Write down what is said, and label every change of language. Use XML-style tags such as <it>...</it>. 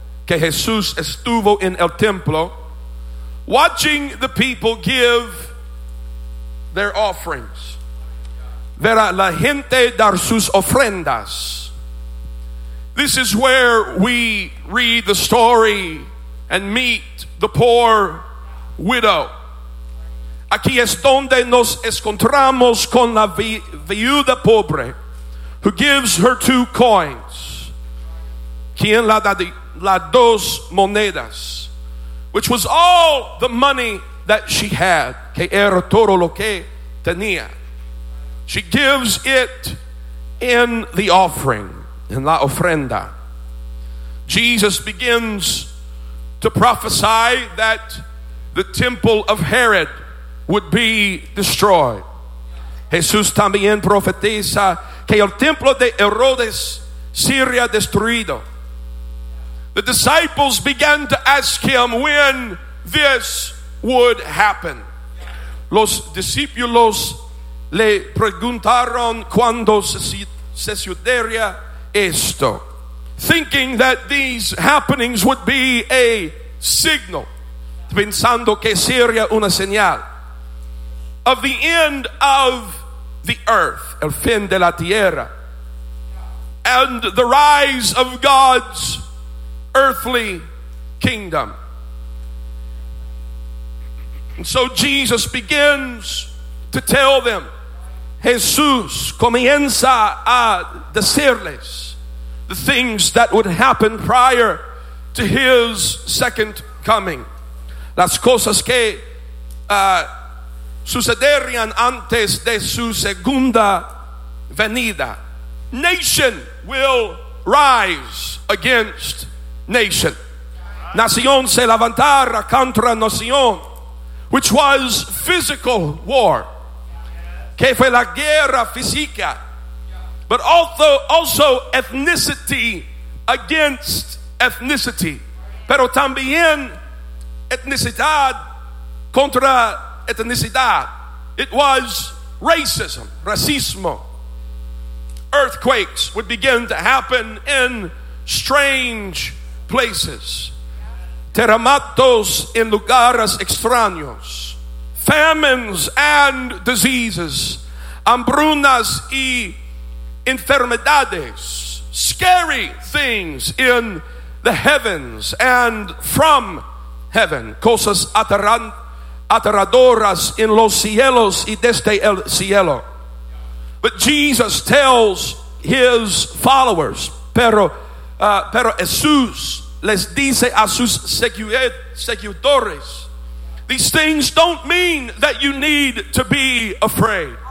<es>Que Jesús estuvo en el templo</es> <en>watching the people give their offerings.</en> <es>Ver a la gente dar sus ofrendas.</es> <en>This is where we read the story and meet the poor widow.</en> <es>Aquí es donde nos encontramos con la viuda pobre.</es> <en>who gives her two coins.</en> <es>Quien la da las dos monedas,</es> <en>which was all the money that she had.</en> <es>Que era todo lo que tenía.</es> <en>She gives it in the offering, in</en> <es>la ofrenda.</es> <en>Jesus begins to prophesy that the temple of Herod would be destroyed.</en> <es>Jesús también profetiza que el templo de Herodes sería destruido.</es> <en>The disciples began to ask him when this would happen.</en> <es>Los discípulos le preguntaron cuándo se sucedería esto,</es> <en>thinking that these happenings would be a signal,</en> <es>pensando que sería una señal,</es> <en>of the end of the earth,</en> <es>el fin de la tierra,</es> <en>and the rise of God's earthly kingdom. And so Jesus begins to tell them.</en> <es>Jesús comienza a decirles</es> <en>the things that would happen prior to his second coming.</en> <es>Las cosas que sucederían antes de su segunda venida.</es> <en>Nation will rise against nation.</en> <es>Nación se levantará contra nación,</es> <en>which was physical war.</en> <es>Que fue la guerra física.</es> <en>But also ethnicity against ethnicity.</en> <es>Pero también etnicidad contra etnicidad.</es> <en>It was racism, racismo. Earthquakes would begin to happen in strange places.</en> <es>Terremotos en lugares extraños.</es> <en>Famines and diseases.</en> <es>Hambrunas y enfermedades.</es> <en>Scary things in the heavens and from heaven.</en> <es>Cosas aterradoras en los cielos y desde el cielo.</es> <en>But Jesus tells his followers,</en> <es>pero Jesús les dice a sus seguidores,</es> <en>these things don't mean that you need to be afraid.</en>